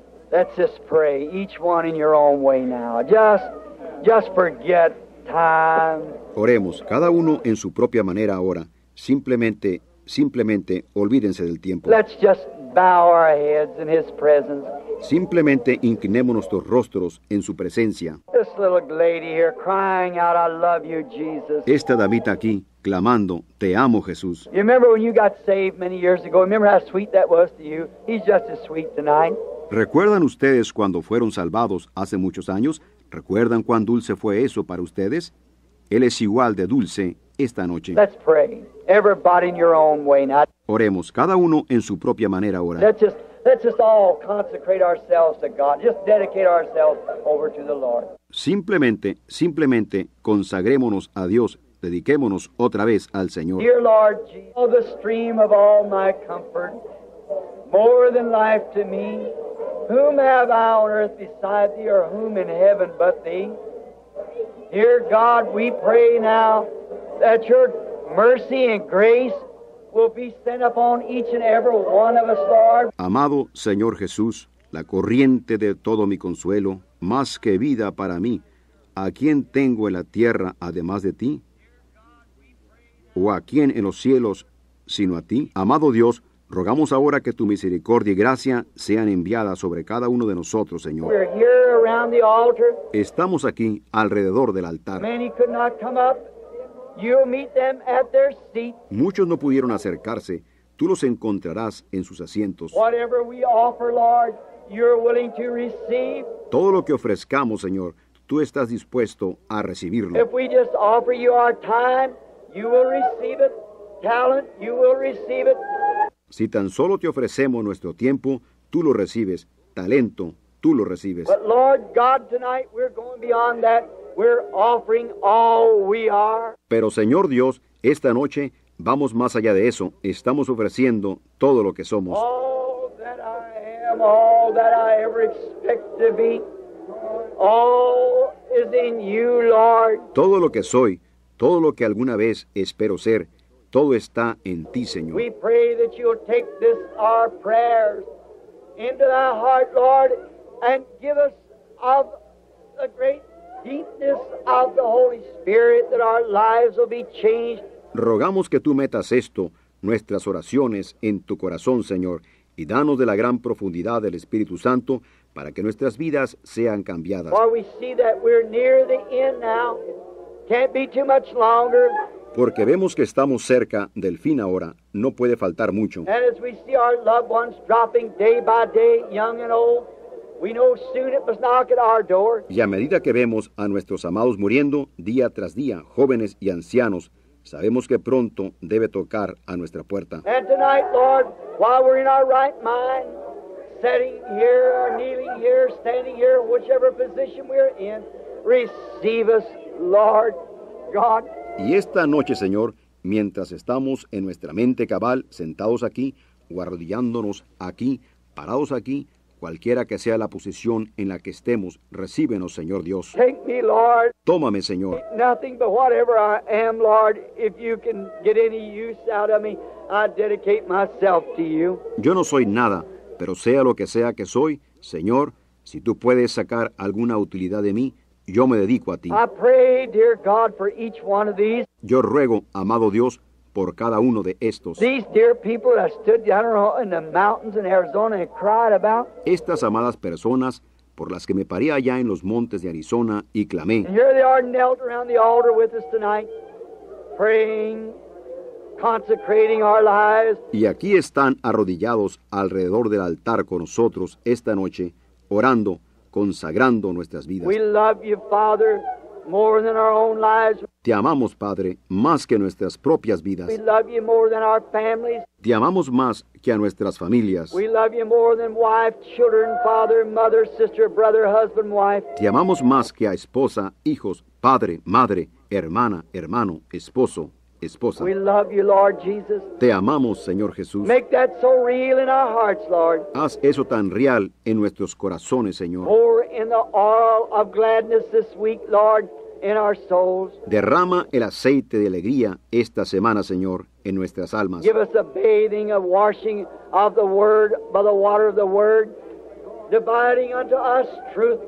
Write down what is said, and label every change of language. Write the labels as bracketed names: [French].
[English] Let's just pray, each one in your own way now. Just forget time. [Spanish] Oremos, cada uno en su propia manera ahora. Simplemente olvídense del tiempo. [English] Let's just bow our heads in his presence. [Spanish] Simplemente inclinemos nuestros rostros en su presencia. [English] This little lady here crying out, I love you, Jesus. [Spanish] Esta damita aquí clamando, te amo, Jesús. [English] You remember when you got saved many years ago? Remember how sweet that was to you? He's just as sweet tonight. [Spanish] ¿Recuerdan ustedes cuando fueron salvados hace muchos años? ¿Recuerdan cuán dulce fue eso para ustedes? Él es igual de dulce esta noche. [English] Let's pray. Everybody in your own way now. [Spanish] Oremos, cada uno en su propia manera ahora. [English] Let's just all consecrate ourselves to God. Just dedicate ourselves over to the Lord. [Spanish] Simplemente consagrémonos a Dios. Dediquémonos otra vez al Señor. [English] Dear Lord Jesus, the stream of all my comfort, more than life to me, whom have I on earth beside thee, or whom in heaven but thee? Dear God, we pray now that your mercy and grace will be sent upon each and every one of us, Lord. [Spanish] Amado Señor Jesús, la corriente de todo mi consuelo, más que vida para mí, ¿a quién tengo en la tierra además de ti? ¿O a quién en los cielos sino a ti? Amado Dios, rogamos ahora que tu misericordia y gracia sean enviadas sobre cada uno de nosotros, Señor. [English] We're here around the altar. [Spanish] Estamos aquí alrededor del altar. [English] Many could not come up. You'll meet them at their seat. [Spanish] Muchos no pudieron acercarse. Tú los encontrarás en sus asientos. [English] Whatever we offer, Lord, you're willing to receive. [Spanish] Todo lo que ofrezcamos, Señor, tú estás dispuesto a recibirlo. [English] If we just offer you our time, you will receive it. Talent, you will receive it. [Spanish] Si tan solo te ofrecemos nuestro tiempo, tú lo recibes. Talento, tú lo recibes. [English] But Lord God, tonight we're going beyond that. We're offering all we are. [Spanish] Pero Señor Dios, esta noche vamos más allá de eso. Estamos ofreciendo todo lo que somos. [English] All that I am, all that I ever expect to be, all is in you, Lord. [Spanish] Todo lo que soy, todo lo que alguna vez espero ser, todo está en ti, Señor. [English] We pray that you'll take this, our prayers, into thy heart, Lord, and give us of the great deepness of the Holy Spirit that our lives will be changed. [Spanish] Rogamos que tú metas esto, nuestras oraciones, en tu corazón, Señor, y danos de la gran profundidad del Espíritu Santo para que nuestras vidas sean cambiadas. [English] While we see that we're near the end now, can't be too much longer. [Spanish] Porque vemos que estamos cerca del fin ahora, no puede faltar mucho. [English] And as we see our loved ones dropping day by day, young and old, we know soon it must knock at our door. [Spanish] Y a medida que vemos a nuestros amados muriendo día tras día, jóvenes y ancianos, sabemos que pronto debe tocar a nuestra puerta. [English] And tonight, Lord, while we're in our right mind, sitting here or kneeling here, standing here, whichever position we're in, receive us, Lord God. [Spanish] Y esta noche, Señor, mientras estamos en nuestra mente cabal, sentados aquí, o arrodillándonos aquí, parados aquí, cualquiera que sea la posición en la que estemos, recíbenos, Señor Dios. [English] Take me, Lord. [Spanish] Tómame, Señor. [English] Nothing but whatever I am, Lord, if you can get any use out of me, I dedicate myself to you. [Spanish] Yo no soy nada, pero sea lo que sea que soy, Señor, si tú puedes sacar alguna utilidad de mí, yo me dedico a ti. [English] I pray, dear God, for each one of these. [Spanish] Yo ruego, amado Dios, por cada uno de estos. [English] These dear people that stood, I don't know, in the mountains in Arizona and cried about. [Spanish] Estas amadas personas por las que me paré allá en los montes de Arizona y clamé. [English] And here they are knelt around the altar with us tonight, praying, consecrating our lives. [Spanish] Y aquí están arrodillados alrededor del altar con nosotros esta noche, orando, consagrando nuestras vidas. [English] We love you, Father, more than our own lives. [Spanish] Te amamos, Padre, más que nuestras propias vidas. [English] We love you more than our families. [Spanish] Te amamos más que a nuestras familias. [English] We love you more than wife, children, father, mother, sister, brother, husband, wife. [Spanish] Te amamos más que a esposa, hijos, padre, madre, hermana, hermano, esposo, esposa. [English] We love you, Lord Jesus. [Spanish] Te amamos, Señor Jesús. [English] Make that so real in our hearts, Lord. [Spanish] Haz eso tan real en nuestros corazones, Señor. [English] Pour in the oil of gladness this week, Lord, in our souls. [Spanish] Derrama el aceite de alegría esta semana, Señor, en nuestras almas. [English] Give us a bathing, a washing of the word by the water of the word, dividing unto us truth.